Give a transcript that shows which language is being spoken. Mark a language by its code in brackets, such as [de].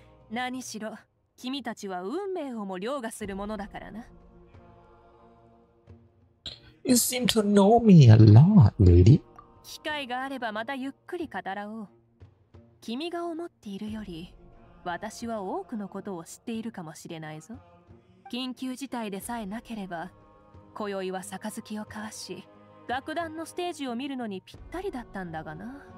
[ja] 何しろ君たちは運命をも凌駕するものだからな。 [en] You seem to know me a lot, really? [ja] 機会があればまたゆっくり語らおう。君が思っているより私は多くのことを知っているかもしれないぞ。緊急事態でさえなければ今宵は杯を交わし、楽団のステージを見るのにぴったりだったんだがな。